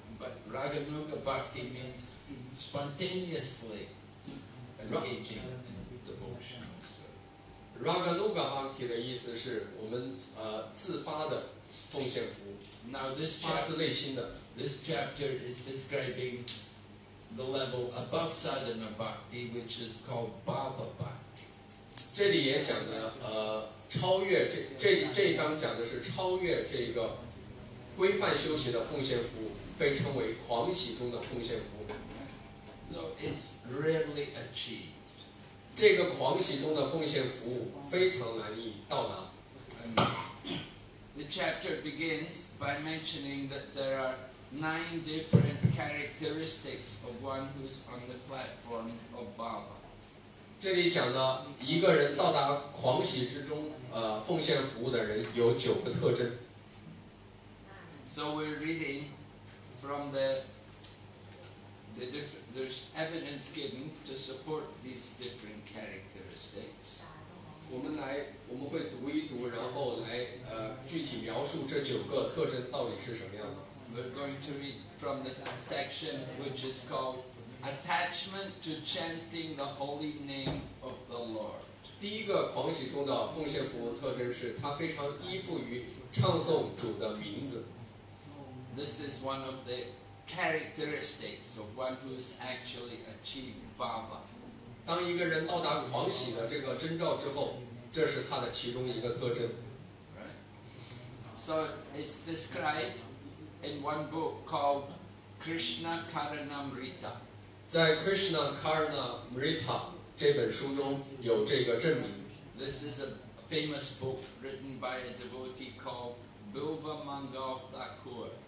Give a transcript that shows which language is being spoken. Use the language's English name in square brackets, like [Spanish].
[English] But Raganuga Bhakti means spontaneously engaging in devotional service. [Chinese] Raganuga Bhakti 的意思是我们自发的奉献服务。 [English] Now this chapter, [Chinese] 发自内心的。 [English] This chapter is describing the level above sadhana bhakti, which is called bhava bhakti. [Chinese] 这里也讲的超越这一章讲的是超越这个规范修习的奉献服务，被称为狂喜中的奉献服务。 [English] So it's rarely achieved. [Chinese] 这个狂喜中的奉献服务非常难以到达。 [English] The chapter begins by mentioning that there are nine different characteristics of one who's on the platform of Baba. [Chinese] 这里讲到一个人到达狂喜之中，奉献服务的人有九个特征。 [English] So we're reading from there's evidence given to support these different characteristics. [Chinese] 我们会读一读，然后来具体描述这九个特征到底是什么样的。 [English] We're going to read from the section which is calledAttachment to chanting the holy name of the Lord. [Chinese] 第一个狂喜中的奉献服务特征是他非常依附于唱诵主的名字。 [English] This is one of the characteristics of one who has actually achieved Baba. [Chinese] 当一个人到达狂喜的这个征兆之后，这是他的其中一个特征。 [English] Right. So it's described in one book called Krishna Karanamrita. [Chinese] 在 Krishna Karanamrita 这本书中有这个证明。 [English] This is a famous book written by a devotee called Bilva Mangal Thakur.